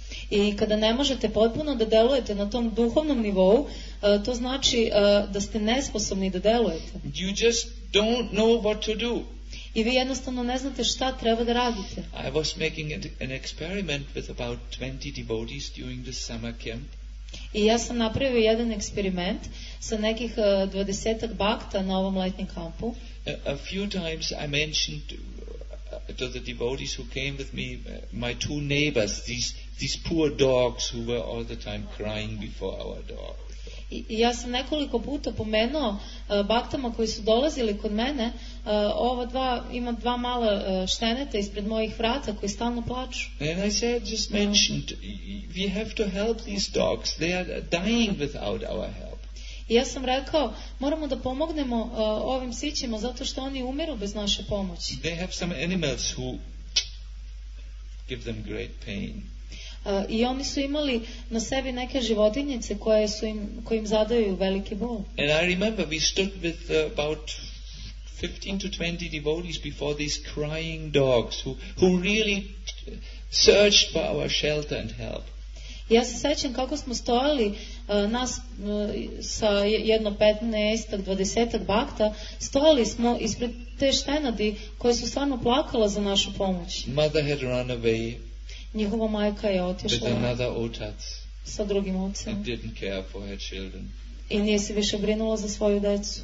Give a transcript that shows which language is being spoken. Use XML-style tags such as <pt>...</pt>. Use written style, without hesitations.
<sr>I kada ne možete potpuno da delujete na tom duhovnom nivou, to znači da ste nesposobni da delujete.</sr> <en>You just don't know what to do.</en> <sr>I vi jednostavno ne znate šta treba da radite.</sr> <en>I was making an experiment with about 20 devotees during the summer camp.</en> <sr>I ja sam napravio jedan eksperiment sa nekih 20-ak bhakta na ovom letnjem kampu.</sr> <en>A few times I mentioned to the devotees who came with me my two neighbors, these poor dogs who were all the time crying before our door.</en> <sr>I ja sam nekoliko puta pomenuo baktama koji su dolazili kod mene, ova dva, ima dva mala šteneta ispred mojih vrata koji stalno plaču.</sr> <en>And I said, just mentioned, we have to help these dogs, they are dying without our help.</en> <sr>I ja sam rekao, moramo da pomognemo ovim sićima zato što oni umiru bez naše pomoći.</sr> <en>They have some animals who give them great pain.</en> <sr>I oni su imali na sebi neke životinjice koje su im, koje im zadaju veliki bol.</sr> <en>And I remember we stood with about 15 to 20 devotees before these crying dogs who really searched for our shelter and help.</en> <sr>Ja se sećam kako smo stojali nas sa jedno 15-ak, 20-ak bakta, stojali smo ispred te štenadi koje su stvarno plakala za našu pomoć.</sr> <en>Mother had run away.</en> <sr>Njihova majka je otišla</sr> <en>with another</en> <sr>otac sa drugim ocem</sr> <en>and didn't care for her children.</en> <sr>I nije se više brinula za svoju decu.</sr>